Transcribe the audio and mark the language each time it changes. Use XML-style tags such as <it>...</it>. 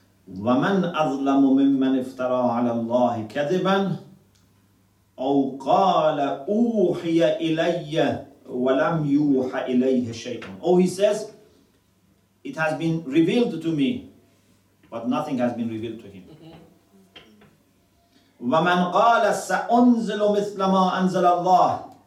<ar>وَمَنْ أَظْلَمُ مِمَّنْ افْتَرَى عَلَى اللَّهِ كَذِبًا أو قال أوحي إلي ولم يوحى إليه شيء.</ar> <en>Oh, he says, it has been revealed to me, but nothing has been revealed to him.</en> <ar>ومن قال سأنزل مثل ما أنزل الله.</ar>